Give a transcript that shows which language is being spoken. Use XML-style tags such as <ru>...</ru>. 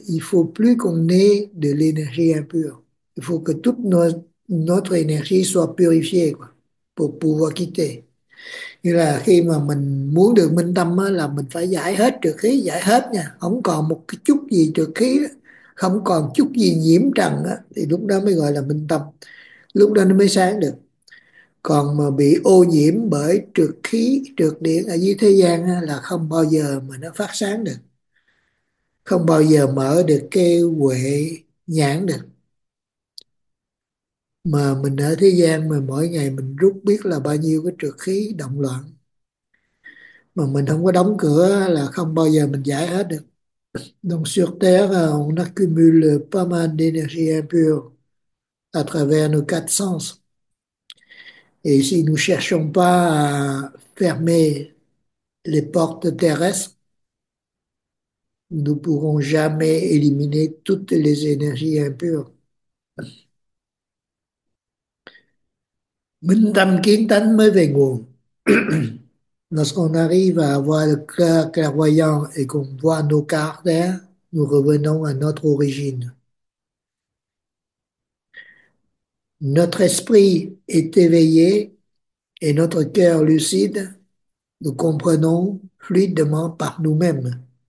<fr>Il ne faut plus qu'on ait de l'énergie impure. Il faut que toute notre énergie soit purifiée quoi, pour pouvoir quitter.</fr> <vi>Nghĩa là khi mà mình muốn được minh tâm á, là mình phải giải hết trược khí, giải hết nha. Không còn một cái chút gì trược khí, không còn chút gì nhiễm trần á, thì lúc đó mới gọi là minh tâm. Lúc đó nó mới sáng được. Còn mà bị ô nhiễm bởi trược khí, trược điện ở dưới thế gian á, là không bao giờ mà nó phát sáng được. Không bao giờ mở được cái huệ nhãn được. Mà mình ở thế gian mà mỗi ngày mình rút biết là bao nhiêu cái trược khí động loạn, mà mình không có đóng cửa là không bao giờ mình giải hết được.</vi> <fr>Donc sur terre, on accumule pas mal d'énergie impure à travers nos quatre sens. Et si nous cherchons pas à fermer les portes terrestres, nous pourrons jamais éliminer toutes les énergies impures.</fr> <vi>Minh tâm kiến tánh mới về nguồn.</vi> <fr>Lorsqu'on arrive à avoir le cœur clairvoyant et qu'on voit nos caractères, nous revenons à notre origine. Notre esprit est éveillé et notre cœur lucide, nous comprenons fluidement par nous-mêmes.</fr>